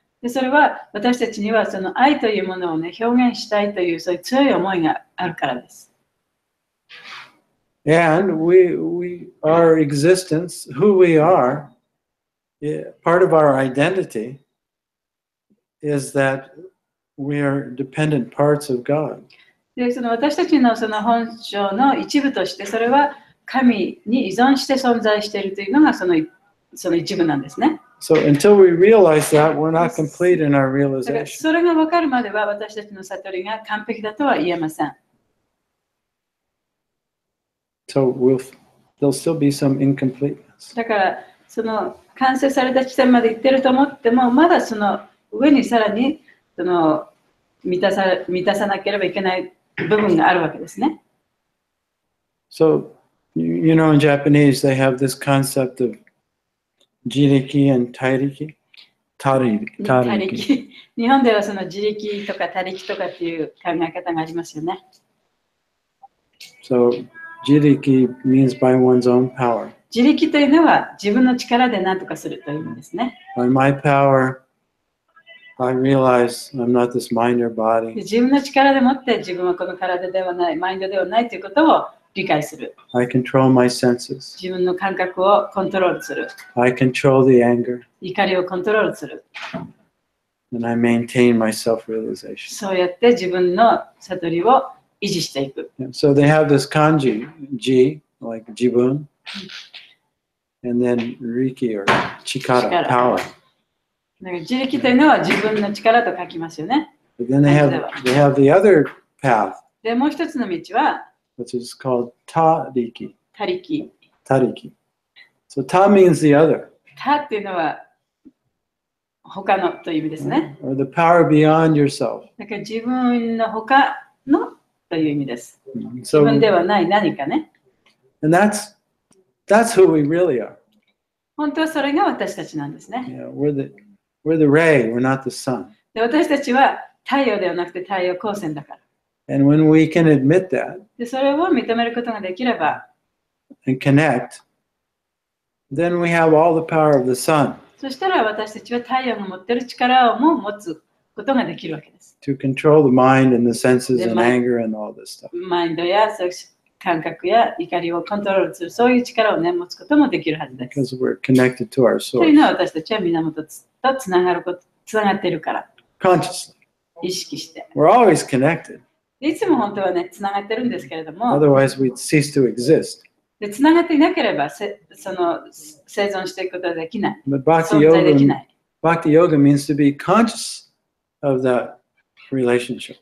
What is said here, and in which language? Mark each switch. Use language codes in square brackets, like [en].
[ja] でそれは私たちにはその愛というものを、ね、表現したいというそういう強い思いがあるからです。 [en] And we our existence, who we are, part of our identity is that we are dependent parts of God. [ja] でその私たちのその本性の一部としてそれは神に依存して存在しているというのがその一部なんですね。 [en] So until we realize that, we're not complete in our realization. [ja] それが分かるまでは私たちの悟りが完璧だとは言えません。 [en] So there'll still be some incompleteness. [ja] だからその完成された地点まで行ってると思っても、まだその上にさらにその満たさなければいけない部分があるわけですね。 [en] So you know in Japanese they have this concept of自力 and 他力 他力 [ja] 日本ではその自力とか他力とかっていう考え方がありますよね。 [en] So, 自力 means by one's own power. [ja] 自力というのは自分の力で何とかするというんですね。 [en] By my power, I realize I'm not this mind or body. [ja] 自分の力でもって自分はこの体ではない、マインドではないということを理解する。 [en] I control my senses. [ja] 自分の感覚をコントロールする。 [en] I control the anger. [ja] 怒りをコントロールする。 [en] And I maintain my self-realization. [ja] そうやって自分の悟りを維持していく。 [en] So they have this kanji, ji, like 自分. And then riki, or chikara, power. [ja] だから自力というのは自分の力と書きますよね。 [en] But then they have the other path. [ja] で、もう一つの道は、 [en] which is called ta-riki. Ta-riki. Ta-riki. So ta means the other. [ja] Ta っていうのは他のという意味ですね。 [en] Or the power beyond yourself. [ja] だから自分の他のという意味です。 So, 自分ではない何かね。 [en] And that's who we really are. [ja] 本当はそれが私たちなんですね。 [en] Yeah, we're the ray, we're not the sun. [ja] で私たちは太陽ではなくて太陽光線だから。 [en] And when we can admit that, [ja] でそれを認めることができれば、 [en] and connect, then we have all the power of the sun. [ja] そしたら私たちは太陽の持ってる力をも持つことができるわけです。 [en] To control the mind and the senses and anger and all this stuff. [ja] マインドや感覚や怒りをコントロールするそういう力をね持つこともできるはずです。 [en] Because we're connected to our source. [ja] というのは私たちは源とつながっているから。 [en] Consciously. [ja] 意識して。 [en] We're always connected. [ja] いつも本当はね、つながってるんですけれども。 [en] Otherwise, we'd cease to exist. [ja] で、つながっていなければ、その生存していくことはできない。 [en] But Bhakti Yoga, Bhakti Yoga means to be conscious of that relationship.